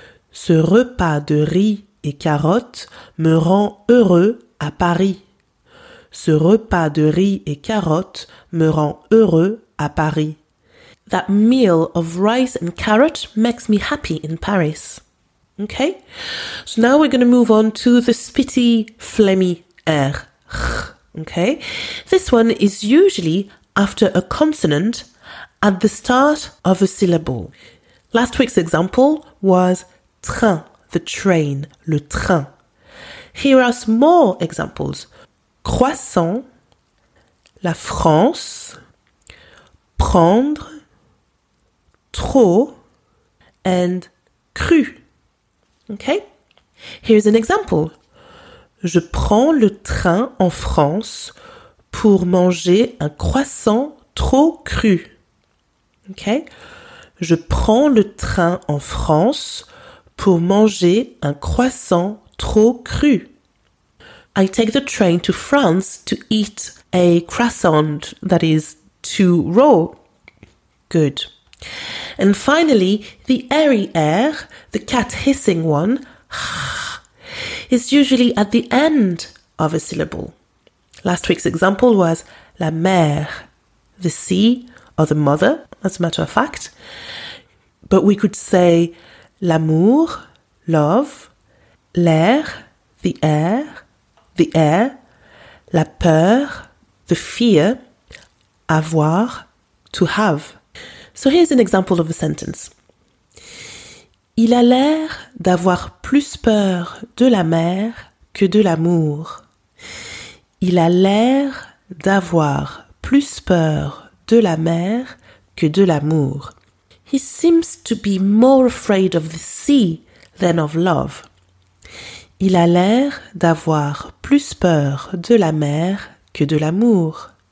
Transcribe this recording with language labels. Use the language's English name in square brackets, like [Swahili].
[French] Ce repas de riz et carottes me rend heureux à Paris. Ce repas de riz et carottes me rend heureux à Paris. [English] That meal of rice and carrot makes me happy in Paris. Okay, so now we're going to move on to the spitty, phlegmy air. Okay, this one is usually after a consonant at the start of a syllable. Last week's example was train, the train, [French] le train. [English] Here are some more examples. Croissant, la France, prendre, trop, and cru. Okay? Here's an example. [French] Je prends le train en France pour manger un croissant trop cru. Okay? Je prends le train en France pour manger un croissant trop cru. [English] I take the train to France to eat a croissant that is too raw. Good. And finally, the airy air, the cat hissing one, is usually at the end of a syllable. Last week's example was la mère, the sea, or the mother, as a matter of fact. But we could say l'amour, love, l'air, the air, the air, la peur, the fear, avoir, to have. So here's an example of a sentence. [French] Il a l'air d'avoir plus peur de la mer que de l'amour. Il a l'air d'avoir plus peur de la mer que de l'amour. [English] He seems to be more afraid of the sea than of love. [French] Il a l'air d'avoir plus peur de la mer que de l'amour.